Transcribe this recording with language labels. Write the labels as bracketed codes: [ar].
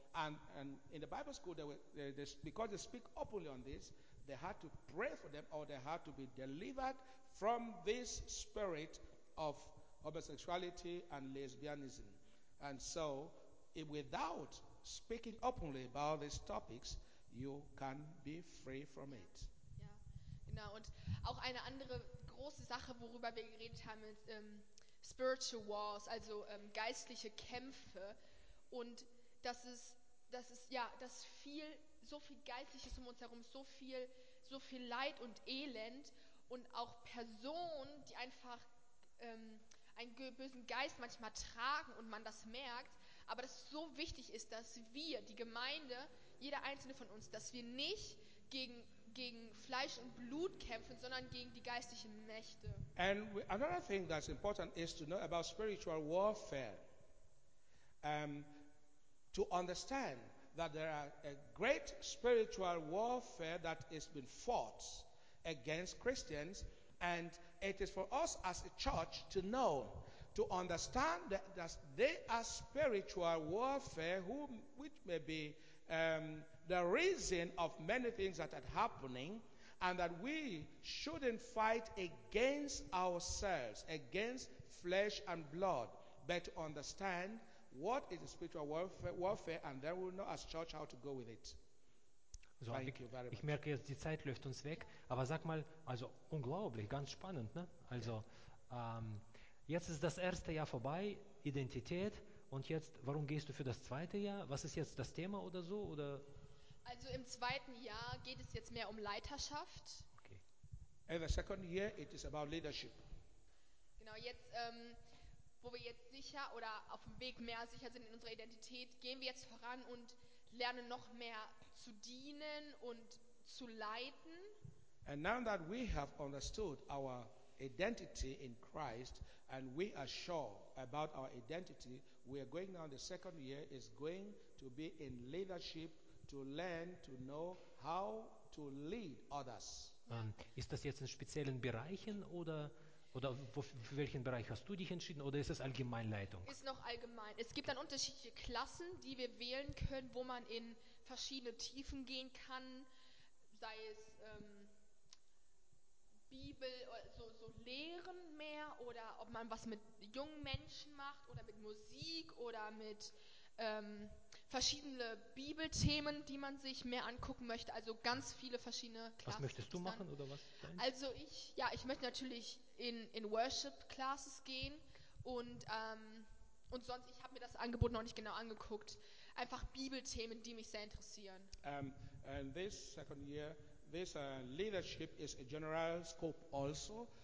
[en] And in the Bible school, because they speak openly on this, they had to pray for them or they had to be delivered from this spirit of homosexuality and lesbianism. And so, without speaking openly about these topics, you can be free from it. [de] Ja, genau. Und auch eine andere große Sache, worüber wir geredet haben, ist spiritual wars, also geistliche Kämpfe. Und so viel Geistliches um uns herum, so viel Leid und Elend und auch Personen, die einfach einen bösen Geist manchmal tragen und man das merkt, aber dass es so wichtig ist, dass wir, die Gemeinde, jeder Einzelne von uns, dass wir nicht gegen Fleisch und Blut kämpfen, sondern gegen die geistlichen Mächte. [en] And another thing that's important is to know about spiritual warfare. To understand that there are a great spiritual warfare that has been fought against Christians, and it is for us as a church to know, to understand that there are spiritual warfare which may be the reason of many things that are happening, and that we shouldn't fight against ourselves, against flesh and blood, but to understand what is the spiritual warfare, and then we'll know as church how to go with it. So, thank you very much. [de] Ich merke jetzt, die Zeit läuft uns weg, aber sag mal, also unglaublich, ganz spannend, ne? Also, jetzt ist das erste Jahr vorbei, Identität, und jetzt, warum gehst du für das zweite Jahr? Was ist jetzt das Thema oder so? Oder? Also im zweiten Jahr geht es jetzt mehr um Leiterschaft. Okay. [en] In the second year, it is about leadership. [de] Genau, jetzt, wo wir jetzt sicher oder auf dem Weg mehr sicher sind in unserer Identität, gehen wir jetzt voran und lerne noch mehr zu dienen und zu leiten. [en] And now that we have understood our identity in Christ and we are sure about our identity, we are going now the second year is going to be in leadership to learn to know how to lead others. [de] Ist das jetzt in speziellen Bereichen oder für welchen Bereich hast du dich entschieden oder ist es Allgemeinleitung? Ist noch allgemein. Es gibt dann unterschiedliche Klassen, die wir wählen können, wo man in verschiedene Tiefen gehen kann, sei es Bibel, so Lehren mehr oder ob man was mit jungen Menschen macht oder mit Musik oder mit verschiedene Bibelthemen, die man sich mehr angucken möchte. Also ganz viele verschiedene Klassen. Was möchtest du machen oder was? Also ich möchte natürlich in Worship-Classes gehen und sonst, ich habe mir das Angebot noch nicht genau angeguckt. Einfach Bibelthemen, die mich sehr interessieren. [en] And this second year, this leadership is a general scope also.